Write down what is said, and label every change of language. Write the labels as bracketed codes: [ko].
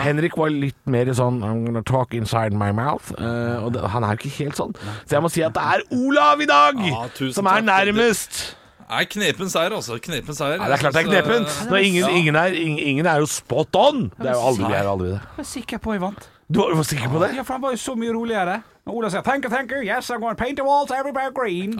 [no] Henrik var litt mer sånn [en] I'm gonna talk inside my mouth. [no] Og det, han er ikke helt sånn. Så jeg må si at det er Olav i dag som er nærmest. Det er knepen seier, altså. Knepen seier. Ja, det er klart det er knepen. Ingen er jo spot on. Det er jo aldri det. Jeg er sikker på jeg vant. Du var jo sikker på det? Ja, for han var jo så mye roligere. Og Ola sier, [en] thank you, yes, I'm going to paint the walls, everybody green.